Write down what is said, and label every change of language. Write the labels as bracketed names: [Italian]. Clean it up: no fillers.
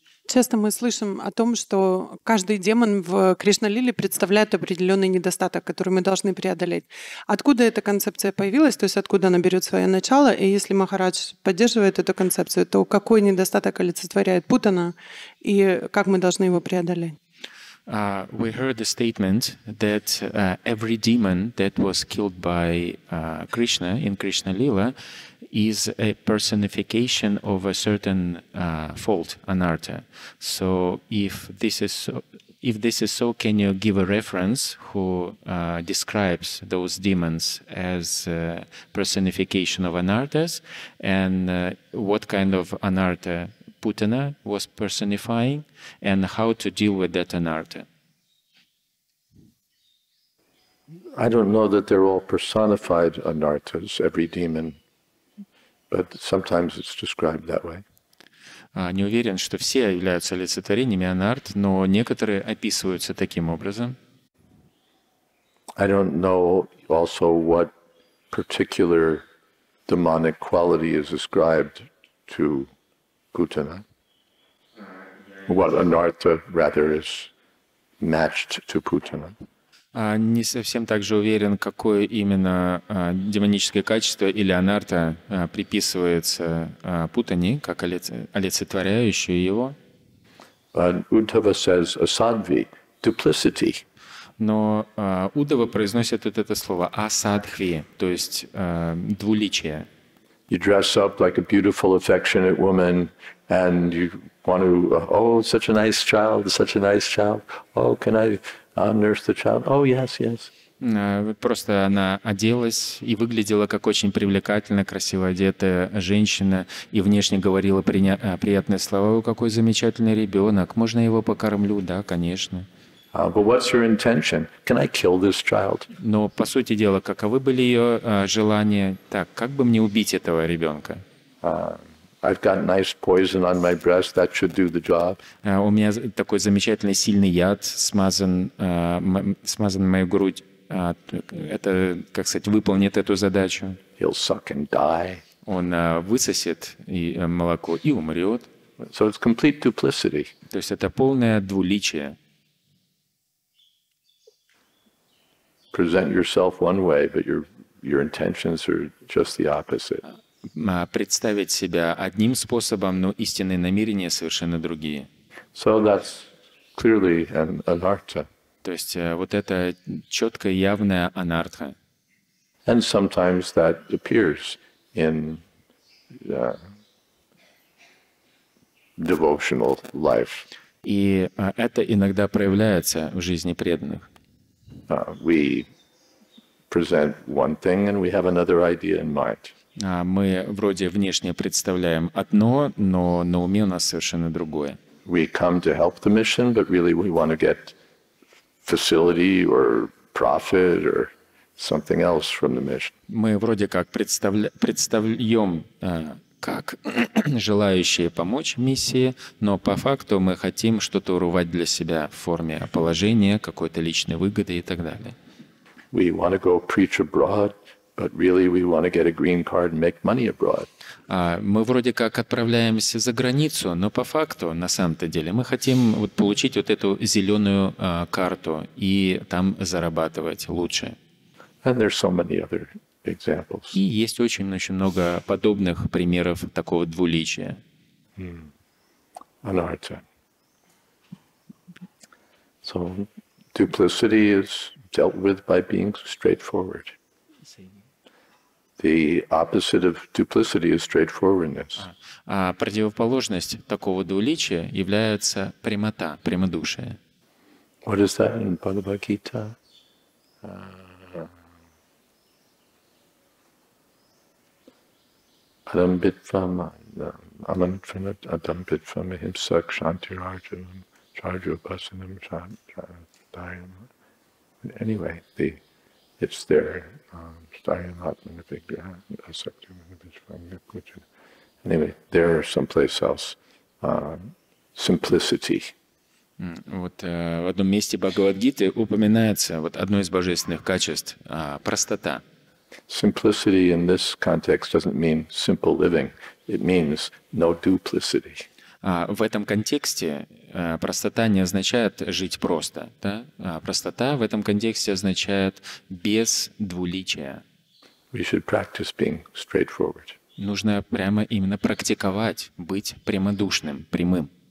[Russian] Часто мы слышим о том, что каждый демон в Кришналиле представляет определенный недостаток, который мы должны преодолеть. Откуда эта концепция появилась, то есть откуда она берет свое начало? И если Махарадж поддерживает эту концепцию, то какой недостаток олицетворяет Путана и как мы должны его преодолеть? [English] We heard the statement that every demon that was killed by Krishna in Krishnalila is a personification of a certain fault, anartha. So if this is so, can you give a reference who describes those demons as personification of anarthas, and what kind of anartha Putana was personifying, and how to deal with that anartha? I don't know that they're all personified anarthas, every demon. But sometimes it's described that way. [Russian] Не уверен, что все являются олицетворениями анарт, но некоторые описываются таким образом. [English] I don't know also what particular demonic quality is ascribed to Putana. What anartha rather is matched to Putana. [Russian] Не совсем также уверен, какое именно демоническое качество или анарта приписывается Путани, как олицетворяющее его. [English] Uddhava says asadvi, duplicity. [Russian] Но Уддхава произносит вот это слово асадхви, то есть двуличие. [English] You dress up like a beautiful, affectionate woman, and you want to, such a nice child, oh, can I nurse the child? Oh, yes, yes. [Russian] Просто она оделась и выглядела как очень привлекательно, красиво одетая женщина, и внешне говорила приятные слова: «О, какой замечательный ребенок, можно его покормлю?» «Да, конечно». [English] But what's your intention? Can I kill this child? [Russian] Но по сути дела, каковы были ее желания? Так, как бы мне убить этого ребенка? [English] I've got nice poison on my breast. That should do the job. [Russian] У меня такой замечательный сильный яд смазан на мою грудь. Это, как сказать, выполнит эту задачу. [English] He'll suck and die. [Russian] Он высосет молоко и умрет. [English] So it's complete duplicity. [Russian] То есть это полное двуличие. [English] Present yourself one way, but your intentions are just the opposite. [Russian] Представить себя одним способом, но истинные намерения совершенно другие. [English] So that's clearly an anartha. [Russian] То есть вот это четко явная анартха. [English] And sometimes that appears in devotional life. [Russian] И это иногда проявляется в жизни преданных. [English] We present one thing, and we have another idea in mind. [Russian] Мы вроде внешне представляем одно, но на уме у нас совершенно другое. [English] We come to help the mission, but really we want to get facility or profit or something else from the mission. [Russian] Мы вроде как представляем как желающие помочь миссии, но по факту мы хотим что-то урвать для себя в форме положения, какой-то личной выгоды и так далее. [English] We want to go preach abroad, but really we want to get a green card and make money abroad. [Russian] Мы вроде как отправляемся за границу, но по факту, на самом-то деле, мы хотим вот получить вот эту зеленую карту и там зарабатывать лучше. [English] And there's so many other examples. [Russian] И есть очень-очень много подобных примеров такого двуличия. [English] Anartha. So duplicity is dealt with by being straightforward. The opposite of duplicity is straightforwardness. [Russian] А противоположность такого двуличия является прямота, прямодушие. [English] What is that in Bhagavad Gita? [Sanskrit] Adambitvam, amantram, adambitvam, ahimsa, kshantir, arjunam, charju, upasanam, dharyam. [English] Anyway, it's there. [Sanskrit] Dharyam, atmanam, vigyan, asaktam, anabitvam, yukvijan. [English] Anyway, there or someplace else. Simplicity. [Russian] Вот в одном месте Бхагавад-гиты упоминается вот одно из божественных качеств — простота. [English] Simplicity in this context doesn't mean simple living. It means no duplicity. [Russian] В этом контексте простота не означает жить просто, да? Простота в этом контексте означает без двуличия. [English] We should practice being straightforward. [Russian] Нужно прямо именно практиковать быть прямодушным, прямым.